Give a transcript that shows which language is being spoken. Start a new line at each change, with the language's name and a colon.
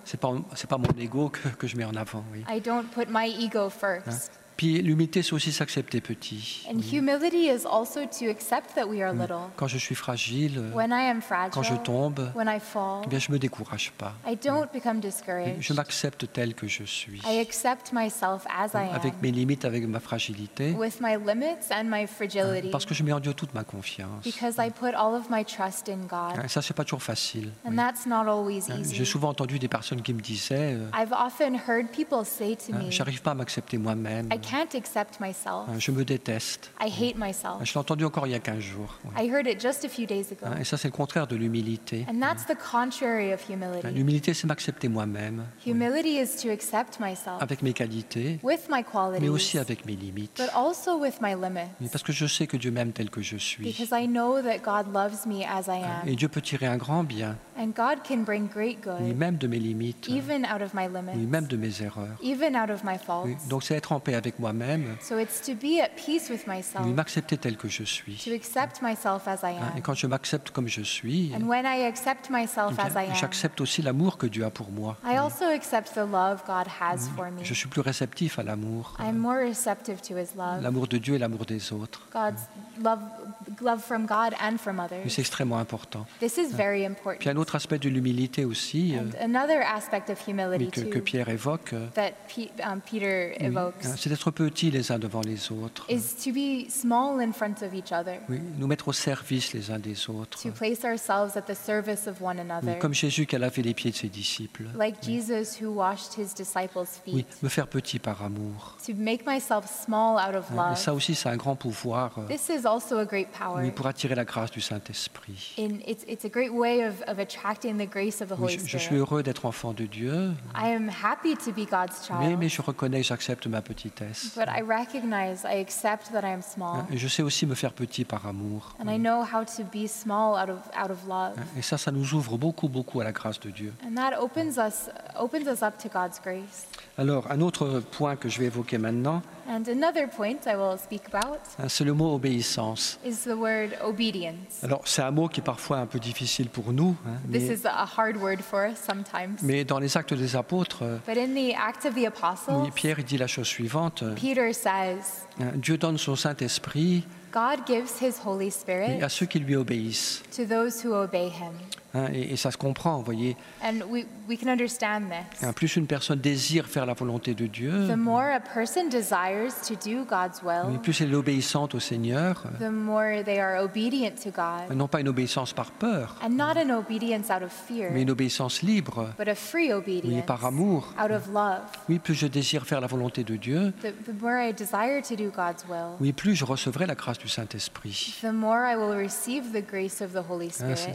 French: C'est pas mon ego que je mets en avant. Oui.
English: I don't put my ego first.
French: Puis l'humilité, c'est aussi s'accepter petit.
English: And humility is also to accept that we are little.
French: Quand je suis fragile,
English: when I am fragile,
French: quand je tombe,
English: when I fall,
French: bien je me décourage pas.
English: I don't become discouraged.
French: Je m'accepte tel que je suis.
English: I accept myself as I am.
French: Avec mes limites, avec ma fragilité.
English: With my limits and my fragility.
French: Parce que je mets en Dieu toute ma confiance.
English: Because I put all of my trust in God.
French: Ça, c'est pas toujours facile.
English: And that's not always easy.
French: J'ai souvent entendu des personnes qui me disaient.
English: I've often heard people say to me.
French: J'arrive pas à m'accepter moi-même.
English: I can't accept myself.
French: Je me déteste.
English: I hate myself.
French: Je l'ai entendu encore il y a 15 jours.
English: I heard it just a few days ago.
French: Et ça, c'est le contraire de l'humilité.
English: And that's the contrary of humility.
French: L'humilité, c'est m'accepter moi-même.
English: Humility is to accept myself.
French: Avec mes qualités.
English: With my qualities.
French: Mais aussi avec mes limites.
English: But also with my limits.
French: Mais parce que je sais que Dieu m'aime tel que je suis.
English: Because I know that God loves me as I am.
French: Et Dieu peut tirer un grand bien.
English: And God can bring great good.
French: Oui, même de mes limites.
English: Even out of my limits.
French: Oui, même de mes erreurs.
English: Even out of my faults. Oui,
French: donc c'est être en paix avec moi-même.
English: So it's to be at peace with myself.
French: Oui, m'accepter tel que je suis.
English: To accept myself as I am.
French: Et quand je m'accepte comme je suis.
English: And when I accept myself as I am.
French: J'accepte aussi l'amour que Dieu a pour moi.
English: I also accept the love God has for me.
French: Je suis plus réceptif à l'amour.
English: I'm more receptive to His love.
French: L'amour de Dieu et l'amour des autres.
English: God's love from God and from others.
French: Oui, c'est extrêmement important.
English: This is very important.
French: Puis un autre aspect de l'humilité aussi.
English: Another aspect of humility too.
French: Que Pierre évoque.
English: That Peter evokes.
French: C'est d'être petit les uns devant les autres.
English: Is to be small in front of each other.
French: Oui, nous mettre au service les uns des autres.
English: To place ourselves at the service of one another.
French: Oui, comme Jésus qui a lavé les pieds de ses disciples.
English: Like Jesus who washed his disciples' feet.
French: Oui, me faire petit par amour.
English: To make myself small out of love.
French: Ça aussi, c'est un grand pouvoir.
English: This is also a great power.
French: Oui, pour attirer la grâce du Saint-Esprit.
English: And it's a great way of attracting the grace of the Holy Spirit.
French: Je suis heureux d'être enfant de Dieu.
English: I am happy to be God's child.
French: Mais je reconnais, j'accepte ma petitesse.
English: But I recognize, I accept that I am small.
French: Et je sais aussi me faire petit par amour.
English: And I know how to be small out of love.
French: Et ça nous ouvre beaucoup, beaucoup à la grâce de Dieu.
English: And that opens us up to God's grace.
French: Alors, un autre point que je vais évoquer maintenant.
English: And another point I will speak about.
French: C'est le mot obéissance.
English: Is the word obedience.
French: Alors, c'est un mot qui est parfois un peu difficile pour nous.
English: This is a hard word for us sometimes.
French: Mais dans les Actes des Apôtres.
English: But in the Acts of the Apostles.
French: Oui, Pierre dit la chose suivante.
English: Peter says.
French: Dieu donne son Saint-Esprit.
English: God gives His Holy Spirit.
French: À ceux qui lui obéissent.
English: To those who obey Him.
French: Et ça se comprend, vous voyez.
English: And we can understand this.
French: Plus une personne désire faire la volonté de Dieu,
English: the more a person desires to do God's will,
French: plus elle est obéissante au Seigneur,
English: the more they are obedient to God.
French: Non pas une obéissance par peur,
English: and not an obedience out of fear,
French: mais une obéissance libre,
English: but a free obedience,
French: par amour,
English: out of love.
French: Plus je désire faire la volonté de Dieu,
English: the more I desire to do God's will,
French: plus je recevrai la grâce du Saint-Esprit.
English: The more I will receive the grace of the Holy Spirit.